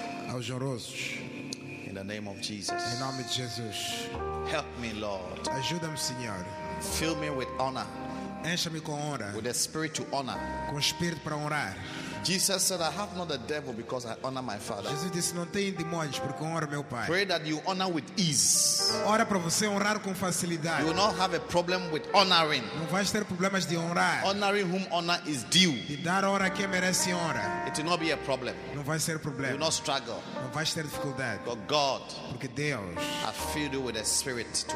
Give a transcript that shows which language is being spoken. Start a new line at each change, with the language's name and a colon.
Portuguese: Aos honrosos.
English: In the name of Jesus.
Portuguese: Em nome de Jesus.
English: Help me, Lord.
Portuguese: Ajuda-me, Senhor.
English: Fill me with honor.
Portuguese: Encha-me com honra.
English: With the spirit to honor.
Portuguese: Com o espírito para honrar.
English: Jesus said, I have not the devil because I honor my father.
Portuguese: Jesus disse, não tenho demônios porque honro meu pai.
English: Pray that you honor with ease.
Portuguese: Ora para você honrar com facilidade.
English: You will not have a problem with honoring.
Portuguese: Não vais ter problemas de honrar.
English: Honoring whom honor is due.
Portuguese: De dar honra a quem merece honra.
English: It will not be a problem.
Portuguese: Não vai ser problema.
English: You will not struggle.
Portuguese: Não vais ter dificuldade.
English: But God,
Portuguese: porque Deus,
English: has filled you with a spirit to